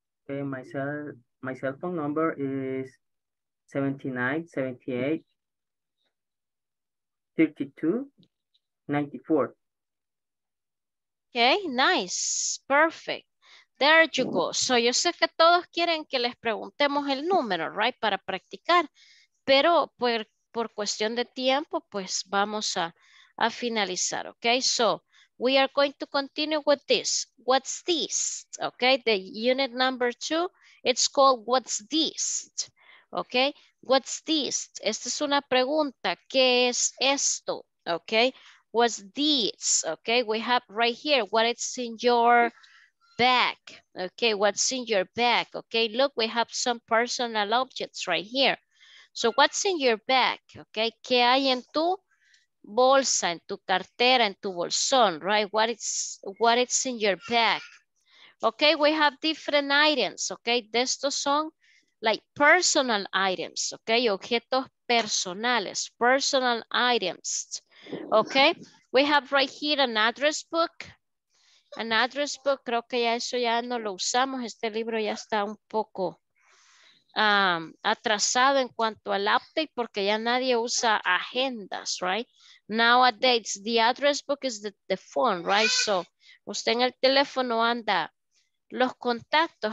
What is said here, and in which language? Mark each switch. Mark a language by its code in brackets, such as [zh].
[en] Okay, my cell phone number is 79 78 32 94. Okay, nice, perfect. There you go. [es] So yo sé que todos quieren que les preguntemos el número, right, para practicar, pero por cuestión de tiempo, pues vamos a finalizar, okay? [en] So we are going to continue with this. What's this? Okay, the unit number 2, it's called what's this? Okay, what's this? [es] Esta es una pregunta, ¿qué es esto? [en] Okay, what's this? Okay, we have right here, what is in your bag? Okay, what's in your bag? Okay, look, we have some personal objects right here. So what's in your bag? [es] Okay, ¿qué hay en tu bolsa, en tu cartera, en tu bolsón, right? [en] What is in your bag? Okay, we have different items, okay? [es] De estos son [en] like personal items, [es] okay? Objetos personales, [en] personal items. [es] Okay? [en] We have right here an address book. An address book, [es] creo que ya eso ya no lo usamos, este libro ya está un poco atrasado en cuanto al update porque ya nadie usa agendas, right? [en] Nowadays, the address book is the phone, right? [es] So, usted en el teléfono anda los contactos.